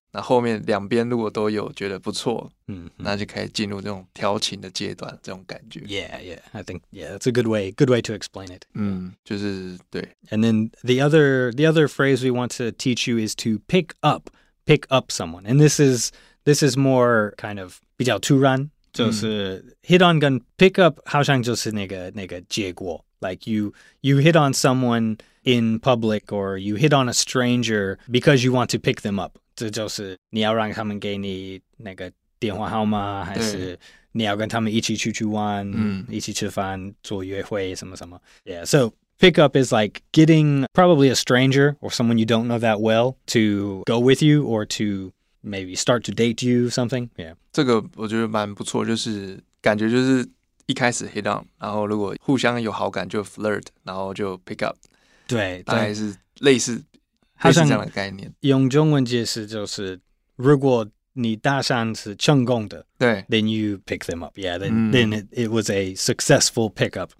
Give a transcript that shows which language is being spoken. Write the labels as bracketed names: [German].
[Chinese] 那后面两边如果都有觉得不错，那就可以进入这种调情的阶段，这种感觉。 [English] Yeah, I think that's a good way to explain it. [Chinese] 就是对。 [English] And then the other phrase we want to teach you is to pick up someone. And this is This is more kind of [Chinese] 比较突然，就是 hit on 跟 pick up 好像就是那个结果。 [English] Like you hit on someone in public or you hit on a stranger because you want to pick them up. [Chinese] 这就是你要让他们给你那个电话号码，还是你要跟他们一起出去玩，一起吃饭，做约会什么什么。 [English] Yeah, so pick up is like getting probably a stranger or someone you don't know that well to go with you or to maybe start to date you something. Yeah. [Chinese] 这个我觉得蛮不错，就是感觉就是一开始 hit on， 然后如果互相有好感就 flirt， 然后就 pick up。对，大概是类似类似这样的概念。用中文解释就是，如果你搭讪是成功的，对 [English] ，then you pick them up， yeah， then it was a successful pick up。